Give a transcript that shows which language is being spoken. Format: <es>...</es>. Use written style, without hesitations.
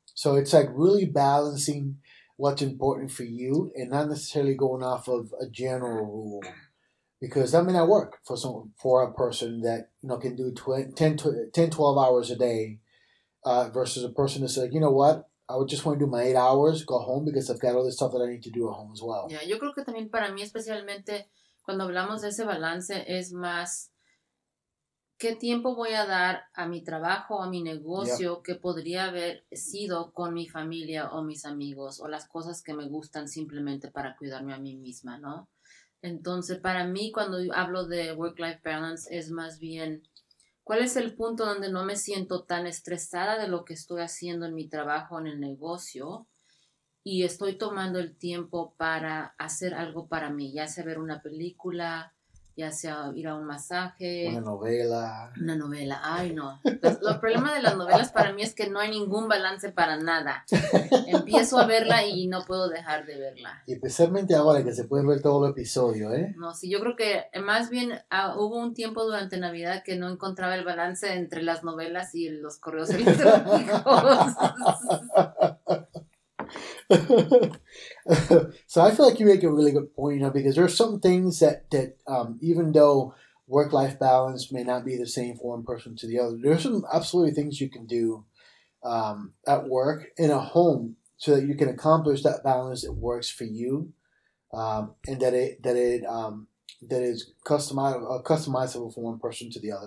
<en>So it's like really balancing what's important for you and not necessarily going off of a general rule, because that may not work for a person that, you know, can do 10, 12 hours a day versus a person that's like, you know what? I would just want to do my 8 hours, go home because I've got all this stuff that I need to do at home as well.</en> <es>Yeah, yo creo que también para mí especialmente cuando hablamos de ese balance es más, ¿qué tiempo voy a dar a mi trabajo, a mi negocio,</es> <en>yep,</en> <es>que podría haber sido con mi familia o mis amigos o las cosas que me gustan simplemente para cuidarme a mí misma, ¿no? Entonces, para mí, cuando hablo de</es> <en>work-life balance,</en> <es>es más bien, ¿cuál es el punto donde no me siento tan estresada de lo que estoy haciendo en mi trabajo, en el negocio? Y estoy tomando el tiempo para hacer algo para mí, ya sea ver una película, ya sea ir a un masaje. Una novela. Ay, no. Lo problema de las novelas para mí es que no hay ningún balance para nada. Empiezo a verla y no puedo dejar de verla. Y especialmente ahora que se puede ver todo el episodio, ¿eh? No, sí, yo creo que más bien hubo un tiempo durante Navidad que no encontraba el balance entre las novelas y los correos electrónicos.</es> <en>So I feel like you make a really good point, you know, because there are some things that even though work-life balance may not be the same for one person to the other, there are some absolutely things you can do at work and at home so that you can accomplish that balance that works for you, and that is customizable from one person to the other.</en>